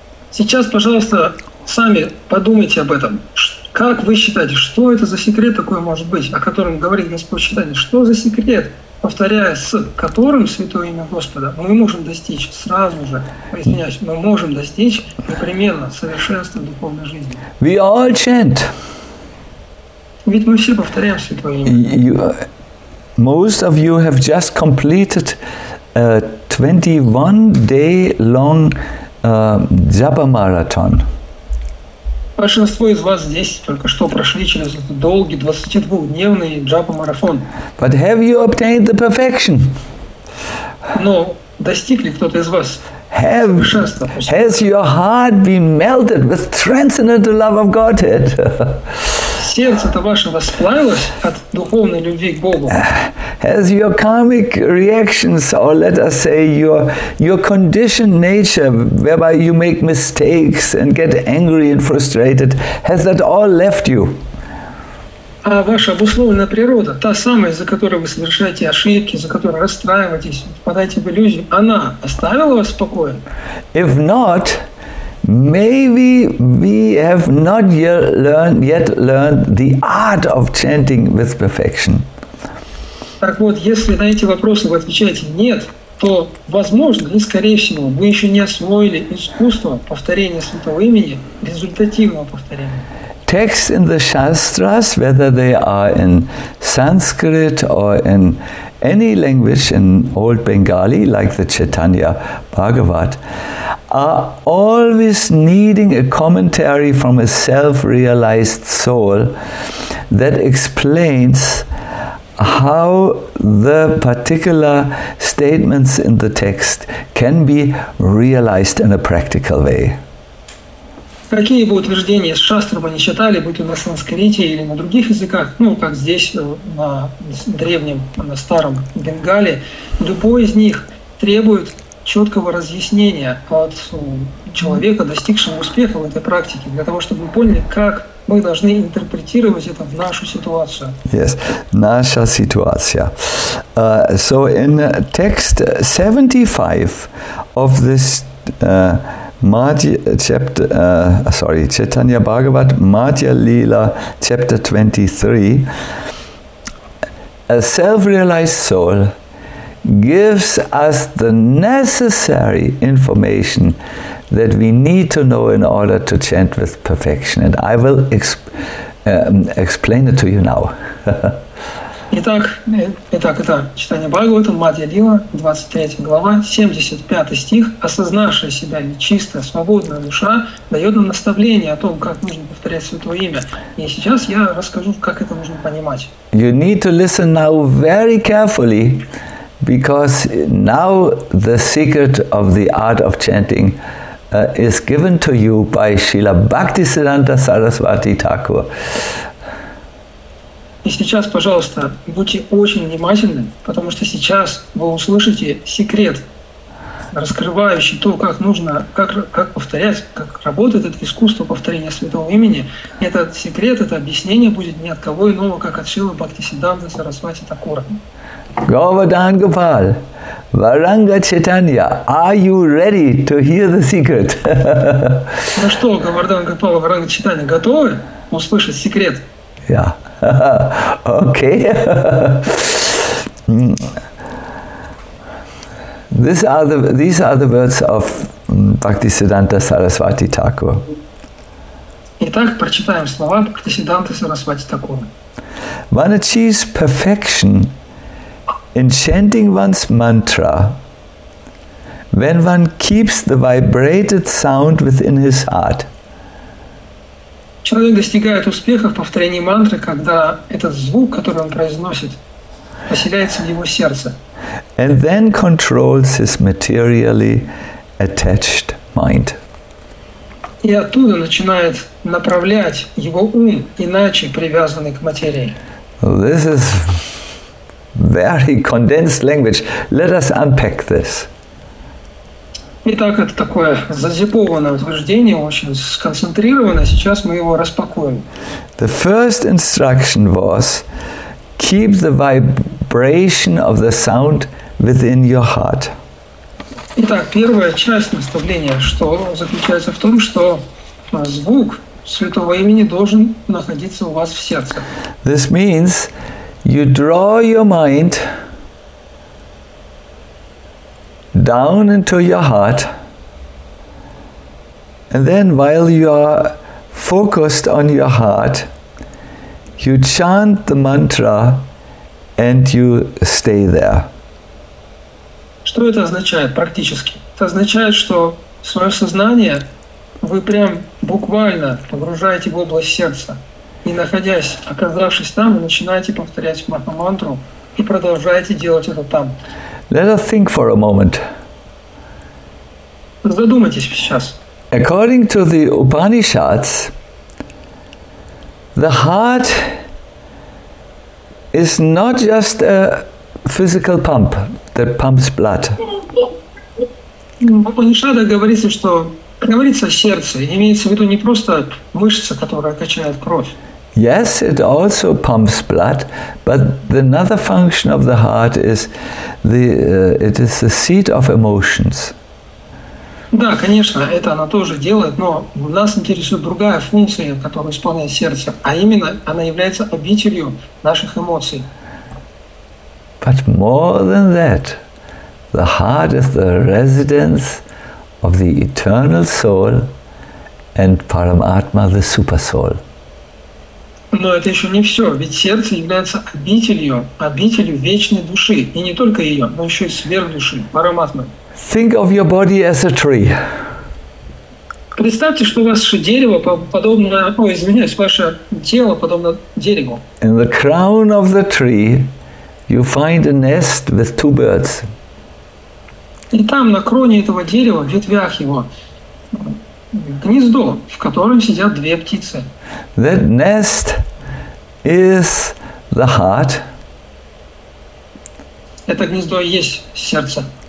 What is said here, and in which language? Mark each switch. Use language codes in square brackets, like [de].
[ru] Сейчас, пожалуйста, сами подумайте об этом. Как вы считаете, что это за секрет такой может быть, о котором говорит Господь Читание? Что за секрет, повторяя с которым Святое Имя Господа, мы можем достичь сразу же, извиняюсь, мы можем достичь непременно совершенства духовной жизни? [en] We all chant. [ru] Ведь мы все повторяем Святое Имя. [en] Most of you have just completed a 21-day-long Japa marathon. [ru] Большинство из вас здесь только что прошли через этот долгий 22-дневный джапа-марафон. [en] But have you obtained the perfection? [ru] Но достигли кто-то из вас совершенства? [en] Has your heart been melted with transcendental love of Godhead? [ru] Сердце-то ваше воспламенилось от духовной любви к Богу? [en] Has your karmic reactions, or let us say your conditioned nature, whereby you make mistakes and get angry and frustrated, has that all left you? [ru] А ваша обусловленная природа, та самая, из-за которой вы совершаете ошибки, из-за которой расстраиваетесь, впадаете в иллюзию, она оставила вас в покое? [en] If not, maybe we have not yet learned the art of chanting with perfection. [ru] Так вот, если на эти вопросы вы отвечаете «нет», то, возможно, и скорее всего, вы еще не освоили искусство повторения Святого Имени, результативного повторения. [en] Texts in the Shastras, whether they are in Sanskrit or in any language in Old Bengali, like the Chaitanya Bhagavat, are always needing a commentary from a self-realized soul that explains how the particular statements in the text can be realized in a practical way. [ru] Какие бы утверждения из шастр мы не читали, будь то на санскрите или на других языках, ну, как здесь, на древнем, на старом Бенгале, любой из них требует четкого разъяснения от человека, достигшего успеха в этой практике, для того, чтобы мы поняли, как мы должны интерпретировать это в нашу ситуацию. [en] Yes, [ru] наша ситуация. [en] So in text 75 of this Chaitanya Bhagavat, Madhya Lila, chapter 23, a self-realized soul gives us the necessary information that we need to know in order to chant with perfection. And I will explain it to you now. [ru] Итак, читание Бхагавата, Мадья Лила, 23 глава, 75 стих. «Осознавшая себя нечистая, свободная душа дает нам наставление о том, как нужно повторять Святое Имя». И сейчас я расскажу, как это нужно понимать. [en] You need to listen now very carefully, because now the secret of the art of chanting is given to you by Srila Bhaktisiddhanta Sarasvati Thakur. [ru] И сейчас, пожалуйста, будьте очень внимательны, потому что сейчас вы услышите секрет раскрывающий то, как нужно, как повторять, как работает это искусство повторения святого имени. Этот секрет, это объяснение будет не от кого иного, как от Шрилы Бхактисиддханты Сарасвати Такура. [en] Govardhan Gopal, Varanga Chaitanya, are you ready to hear the secret? [ru] Ну что, Govardhan Gopal, Varanga Chaitanya, готовы услышать секрет? [en] Yeah. Okay. These are the words of Bhaktisiddhanta Sarasvati Thakur. [ru] Итак, прочитаем слова Бхактисиддханты Сарасвати Такура. [en] One achieves perfection in chanting one's mantra when one keeps the vibrated sound within his heart. [ru] Человек достигает успеха в повторении мантры, когда этот звук, который он произносит, поселяется в его сердце. [en] And then controls his materially attached mind. [ru] И оттуда начинает направлять его ум, иначе привязанный к материи. [en] This is very condensed language. Let us unpack this. [ru] Итак, это такое зазипованное утверждение, очень сконцентрированное. Сейчас мы его распакуем. [en] The first instruction was keep the vibration of the sound within your heart. [ru] Итак, первая часть наставления, что заключается в том, что звук святого имени должен находиться у вас в сердце. [en] This means you draw your mind down into your heart, and then while you are focused on your heart, you chant the mantra and you stay there. [ru] Что это означает практически? Это означает, что свое сознание вы прям буквально погружаете в область сердца, и находясь, оказавшись там, вы начинаете повторять маха-мантру и продолжаете делать это там. [en] Let us think for a moment. [ru] Задумайтесь сейчас. [en] According to the Upanishads, the heart is not just a physical pump that pumps blood. [ru] Упанишада говорится, что говорится о сердце, имеется в виду не просто мышца, которая качает кровь. [en] Yes, it also pumps blood, but another function of the heart is it is the seat of emotions. [ru] Да, конечно, это она тоже делает, но нас интересует другая функция, которую исполняет сердце, а именно она является обителью наших эмоций. [en] But more than that, the heart is the residence of the eternal soul and Paramatma, the super soul. [ru] Но это еще не все, ведь сердце является обителью вечной души, и не только ее, но еще и сверхдуши, Параматмы. [en] Think of your body as a tree. [ru] Представьте, что у вас дерево подобно, ваше тело подобно дереву. [en] In the crown of the tree, you find a nest with two birds. [ru] И там на кроне этого дерева, в ветвях его, гнездо, в котором сидят две птицы. [en] That nest is the heart. [ru] Это гнездо и есть сердце.